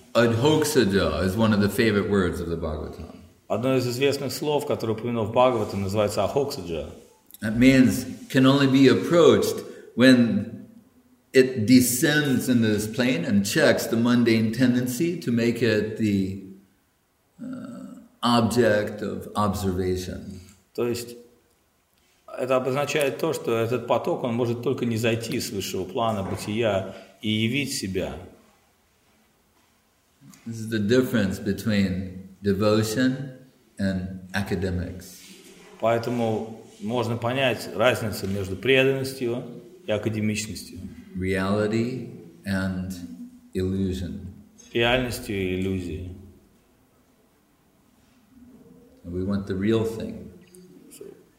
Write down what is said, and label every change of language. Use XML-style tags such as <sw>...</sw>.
<en>Adhoksada is one of the favorite words of the Bhagavatam.</en> <ru>Одно из известных слов, которое упомянуто в Бхагаватам, называется Adhoksada.</ru> <en>That means can only be approached when it descends into this plane and checks the mundane tendency to make it the object of observation.</en> <ru>То есть это обозначает то, что этот поток он может только не зайти с высшего плана бытия и явить себя.</ru> <en>This is the difference between devotion and academics.</en> <ru>Поэтому можно понять разницу между преданностью и академичностью.</ru> <en>Reality and illusion.</en> <ru>Реальностью и иллюзией.</ru> <en>We want the real thing. So,</en>